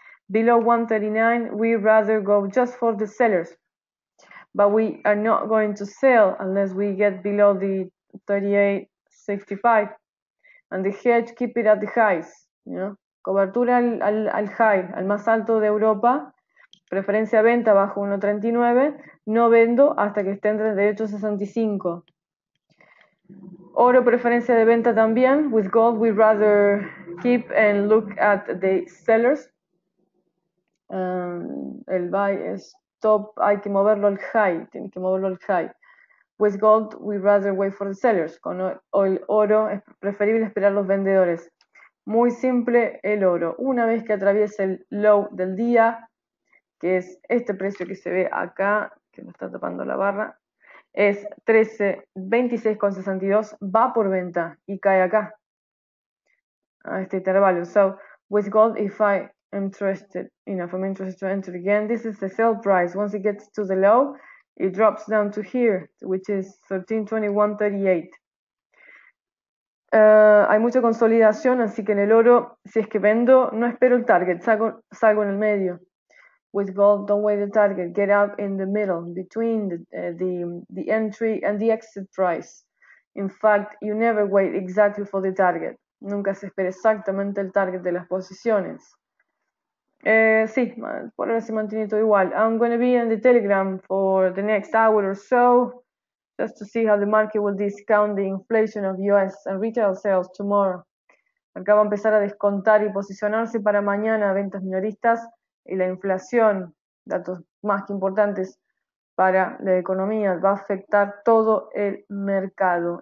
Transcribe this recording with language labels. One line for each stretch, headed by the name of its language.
English: Below 139, we'd rather go just for the sellers. But we are not going to sell unless we get below the 38.65. And the hedge, keep it at the highs. You know?
Spanish: Cobertura al high, al más alto de Europa. Preferencia venta bajo 1.39, no vendo hasta que esté en 38.65. Oro preferencia de venta también.
English: With gold, we'd rather keep and look at the sellers.
Spanish: El buy stop, hay que moverlo al high, tiene que moverlo al high.
English: With gold, we'd rather wait for the sellers.
Spanish: Con el oro es preferible esperar los vendedores. Muy simple el oro. Una vez que atraviese el low del día, que es este precio que se ve acá, que me está tapando la barra, es 13.26,62, va por venta y cae acá, a este intervalo.
English: So, with gold, if I am interested, enough, I'm interested to enter again, this is the sell price. Once it gets to the low, it drops down to here, which is 13.21.38.
Spanish: Hay mucha consolidación, así que en el oro, si es que vendo, no espero el target, salgo en el medio.
English: With gold, don't wait the target. Get up in the middle, between the entry and the exit price. In fact, you never wait exactly for the target.
Spanish: Nunca se espera exactamente el target de las posiciones. Sí, por ahora se mantiene todo igual.
English: I'm going to be in the Telegram for the next hour or so, just to see how the market will discount the inflation of US and retail sales tomorrow.
Spanish: Acá va a empezar a descontar y posicionarse para mañana ventas minoristas. Y la inflación, datos más que importantes para la economía, va a afectar todo el mercado.